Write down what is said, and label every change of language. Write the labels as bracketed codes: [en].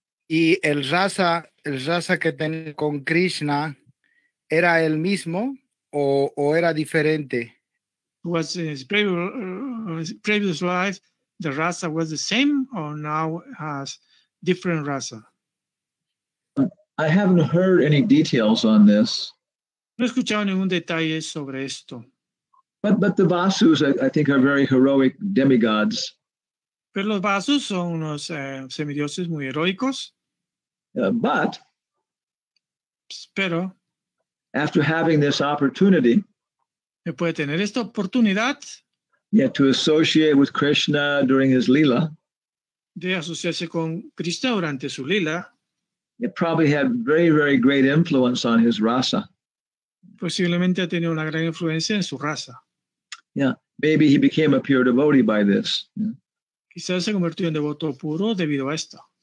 [es] Y el rasa que tenía con Krishna era el mismo o era diferente? [en] Was in his previous life the rasa was the same or now has different rasa? I haven't heard any details on this. [es] No he escuchado ningún detalle sobre esto. [en] But the Vasus, I think, are very heroic demigods. [es] Pero los Vasus son unos semidioses muy heroicos. [en] But [es] pero [en] after having this opportunity, [es] puede tener esta oportunidad. [en] Yeah, to associate with Krishna during his lila. [es] De asociarse con Krishna durante su lila. [en] It probably had very, very great influence on his rasa. [es] Posiblemente ha tenido una gran influencia en su raza. [en] Yeah, maybe he became a pure devotee by this. Yeah. [es] Quizás se convirtió en devoto puro debido a esto.